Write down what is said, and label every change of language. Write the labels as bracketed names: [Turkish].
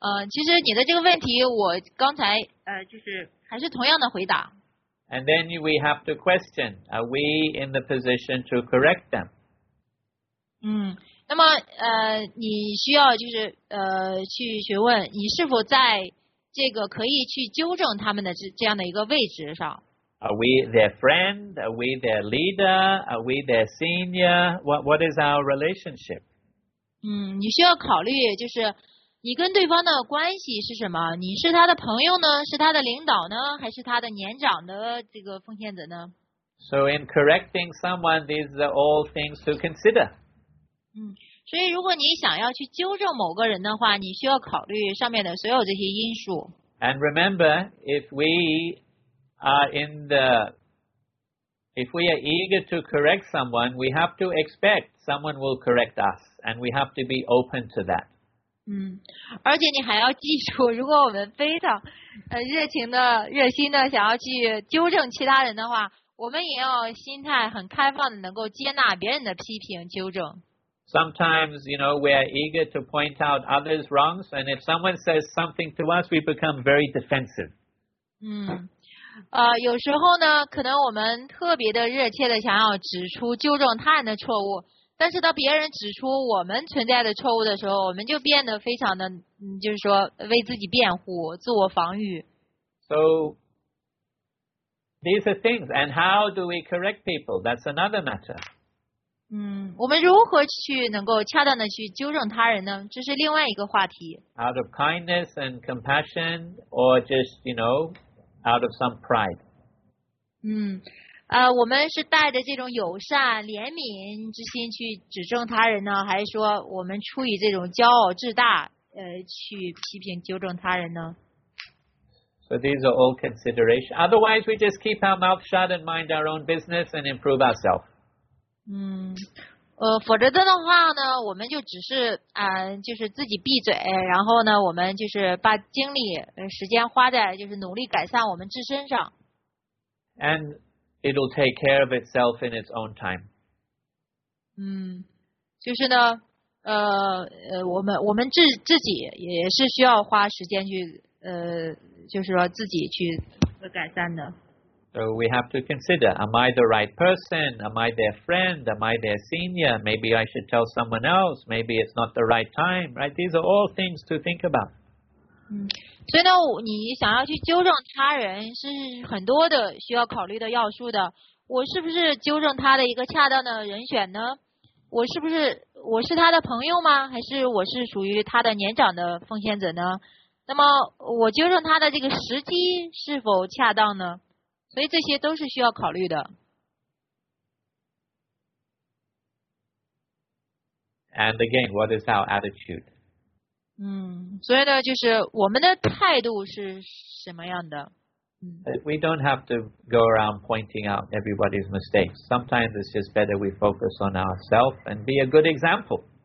[Chinese] 其实你的这个问题我刚才就是还是同样的回答。 [English] And then we have to question, are we in the position to correct them? [Chinese] 那么你需要就是去询问你是否在这个可以去纠正他们的这样的一个位置上。 [English] Are we their friend? Are we their leader? Are we their senior? What is our relationship? [Chinese] 你需要考虑就是你跟对方的关系是什么？你是他的朋友呢？是他的领导呢？还是他的年长的这个奉献者呢？ [English] So in correcting someone, these are all things to consider. [Chinese] 所以如果你想要去纠正某个人的话，你需要考虑上面的所有这些因素。 [English] And remember, if we are eager to correct someone, we have to expect someone will correct us, and we have to be open to that. [Chinese] 而且你还要记住，如果我们非常热情的、热心的想要去纠正其他人的话，我们也要心态很开放的，能够接纳别人的批评、纠正。 [English] Sometimes, you know, we are eager to point out others' wrongs, and if someone says something to us, we become very defensive. [Chinese] 有时候呢，可能我们特别的热切的想要指出、纠正他人的错误，但是当别人指出我们存在的错误的时候，我们就变得非常的，就是说为自己辩护、自我防御。 [English] So these are things, and how do we correct people? That's another matter. [Chinese] 我们如何去能够恰当的去纠正他人呢？这是另外一个话题。 [English] Out of kindness and compassion, or just, you know, out of some pride. [Chinese] 我们是带着这种友善、怜悯之心去指正他人呢，还是说我们出于这种骄傲自大，去批评纠正他人呢？ [English] So these are all considerations. Otherwise, we just keep our mouth shut and mind our own business and improve ourselves. [Chinese] 否则的话呢，我们就只是就是自己闭嘴，然后呢，我们就是把精力、时间花在就是努力改善我们自身上。 [English] And it'll take care of itself in its own time. [Chinese] 就是呢，我们自己也是需要花时间去就是说自己去改善的。 [English] So we have to consider, am I the right person? Am I their friend? Am I their senior? Maybe I should tell someone else. Maybe it's not the right time, right? These are all things to think about. [Chinese] 所以呢，你想要去纠正他人是很多的需要考虑的要素的。我是不是纠正他的一个恰当的人选呢？我是他的朋友吗？还是我是属于他的年长的奉献者呢？那么我纠正他的这个时机是否恰当呢？所以这些都是需要考虑的。 [English] And again, what is our attitude? [Chinese] 嗯，所以呢，就是我们的态度是什么样的？ [English] We don't have to go around pointing out everybody's mistakes. Sometimes it's just better we focus on ourselves and be a good example.